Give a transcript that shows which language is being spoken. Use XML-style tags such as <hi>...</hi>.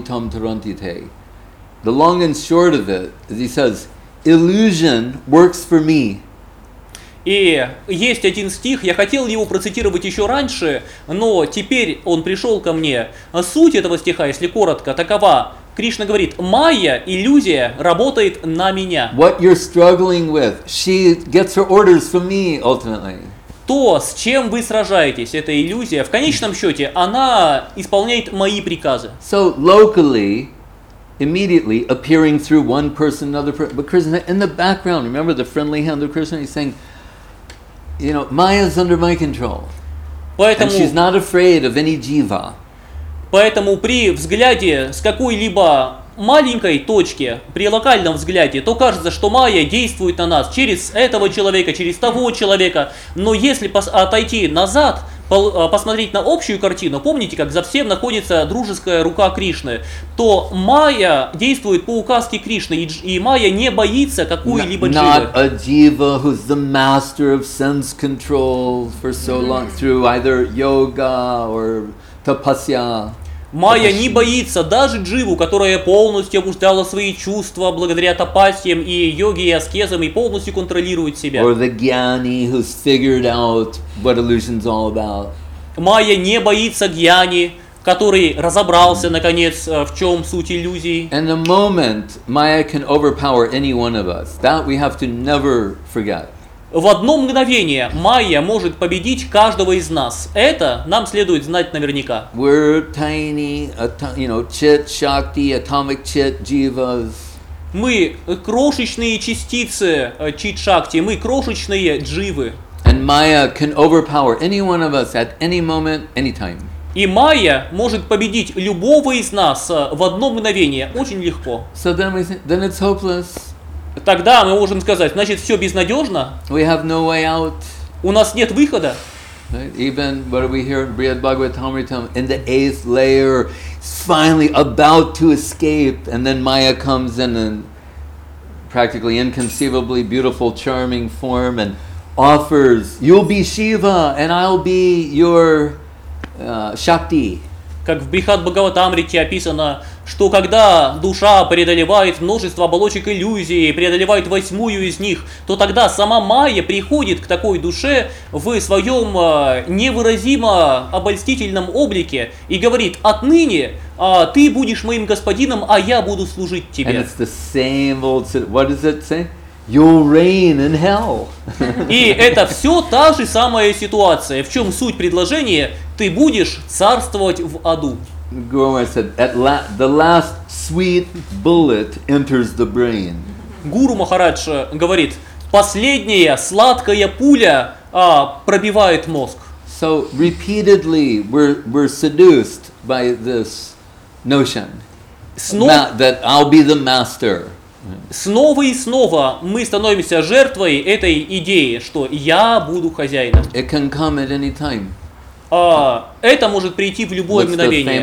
<en>The long and short of it, as he says, illusion works for me.</en> <ru>И есть один стих, я хотел его процитировать еще раньше, но теперь он пришел ко мне. Суть этого стиха, если коротко, такова. Кришна говорит, майя, иллюзия, работает на меня.</ru> <en>What you're struggling with, she gets her orders from me, ultimately.</en> <ru>То, с чем вы сражаетесь, эта иллюзия, в конечном счете, она исполняет мои приказы.</ru> <en>So locally, immediately appearing through one person, another person, but Krishna in the background, remember the friendly hand of Krishna, he's saying, you know, Maya's under my control.</en> <ru>Поэтому,</ru> <en>and she's not afraid of any jiva.</en> <ru>Поэтому при взгляде с какой-либо маленькой точке, при локальном взгляде, то кажется, что майя действует на нас через этого человека, через того человека. Но если отойти назад, посмотреть на общую картину, помните, как за всем находится дружеская рука Кришны, то майя действует по указке Кришны, и майя не боится какую-либо</ru> <en>дживы. Not a diva who's the master of sense control for so long through either yoga or tapasya.</en> <ru>Майя не боится даже дживу, которая полностью обуздала свои чувства благодаря тапасьям и йоге и аскезам и полностью контролирует себя.</ru> <en>Or the gyani who's figured out what illusion's all about.</en> <ru>Майя не боится гьяни, который разобрался наконец в чем суть иллюзии.</ru> <en>And the moment Maya can overpower any one of us, that we have to never forget.</en> <ru>В одно мгновение майя может победить каждого из нас. Это нам следует знать наверняка.</ru> <en>We're tiny, you know, chit, shakti, atomic chit, jivas.</en> <ru>Мы крошечные частицы чит-шакти, мы крошечные дживы.</ru> <en>And Maya can overpower any one of us at any moment, anytime.</en> <ru>И майя может победить любого из нас в одно мгновение очень легко.</ru> <en>So then we think, then it's hopeless.</en> <ru>Тогда мы можем сказать, значит, все безнадежно.</ru> <en>We have no way out.</en> <ru>У нас нет выхода.</ru> <en>Even what we hear in Brihad Bhagavatamritam, in the eighth layer, finally about to escape, and then Maya comes in and practically inconceivably beautiful, charming form and offers, you'll be Shiva and I'll be your Shakti.</en> <ru>Как в Брихат-Бхагаватамрите описано, что когда душа преодолевает множество оболочек иллюзии, преодолевает восьмую из них, то тогда сама Майя приходит к такой душе в своем невыразимо обольстительном облике и говорит, отныне ты будешь моим господином, а я буду служить тебе.</ru> <en>And it's the same old... What does it say? You'll reign in hell.</en> <ru>И это все та же самая ситуация. В чем суть предложения? Ты будешь царствовать в аду.</ru> <en>Guru Maharaj said, at last, the last sweet bullet enters the brain.</en> <ru>Гуру Махарадж говорит, последняя сладкая пуля пробивает мозг.</ru> <en>So repeatedly we're seduced by this notion that I'll be the master.</en> <ru>Снова и снова мы становимся жертвой этой идеи, что я буду хозяином.</ru> <en>It can come at any time.</en> <ru>Это может прийти в любое мгновение.</ru>